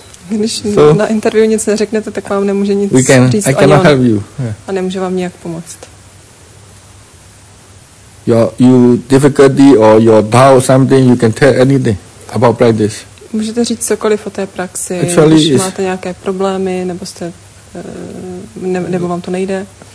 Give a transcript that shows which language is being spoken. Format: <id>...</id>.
<cs>Když so, na interview nic neřeknete, tak vám nemůže nic říct</cs> <en>I cannot help you.</en> <cs>A nemůže vám nijak pomoct.</cs> <en>Your difficulty or your doubt something, you can tell anything about practice.</en> <cs>Můžete říct cokoliv o té praxi, actually, když máte nějaké problémy, nebo jste, nebo vám to nejde.</cs>